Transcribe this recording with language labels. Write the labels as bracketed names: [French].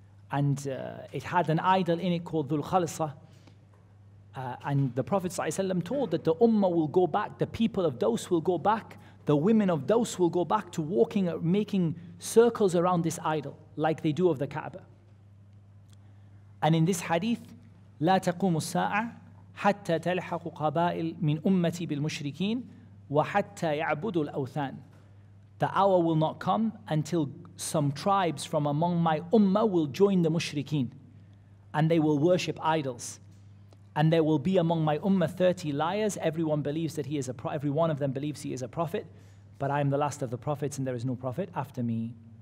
[English] And it had an idol in it called Dhul Khalsa. And the Prophet ﷺ told that the ummah will go back, the people of Daws will go back, the women of Daws will go back to walking, making circles around this idol, like they do of the Kaaba. And in this hadith, [Arabic] لا تقوم الساعة حتى تلحق قبائل من أمتي بالمشركين وحتى يعبدوا الأوثان. [English] The hour will not come until some tribes from among my ummah will join the mushrikeen, and they will worship idols. And there will be among my ummah 30 liars. Every one of them believes he is a prophet, but I am the last of the prophets, and there is no prophet after me.